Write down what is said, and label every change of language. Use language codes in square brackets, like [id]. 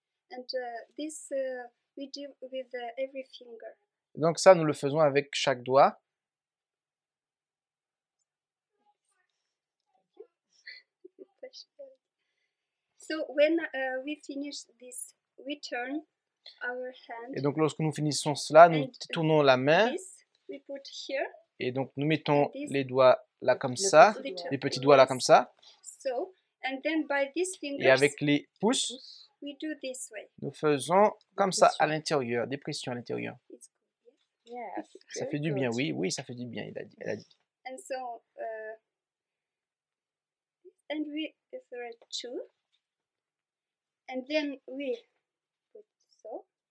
[en] And this we do with every finger. [fr] Donc ça, nous le faisons avec chaque doigt. [en] So when we finish this, we turn our hand. [fr] Et donc lorsque nous finissons cela, nous tournons la main. [en] This, we put here. [fr] Et donc nous mettons les doigts là comme ça, les petits doigts là comme ça. [en] So, and then by these fingers, [fr] et avec les pouces, [en] we do this way. [fr] Nous faisons comme ça à l'intérieur, des pressions à l'intérieur. [en] Yes, [fr] ça fait du bien, oui, ça fait du bien, elle a dit. [en] And so, and we do it too. And then we put so.